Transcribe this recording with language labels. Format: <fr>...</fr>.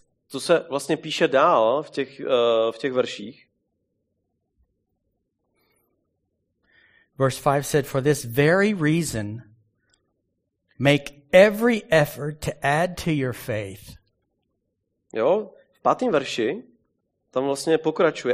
<cs>To se vlastně píše dál v těch verších.</cs> <en>Verse 5 said, for this very reason, make every effort to add to your faith.</en> <cs>Jo, v pátém verši tam vlastně pokračuje.</cs>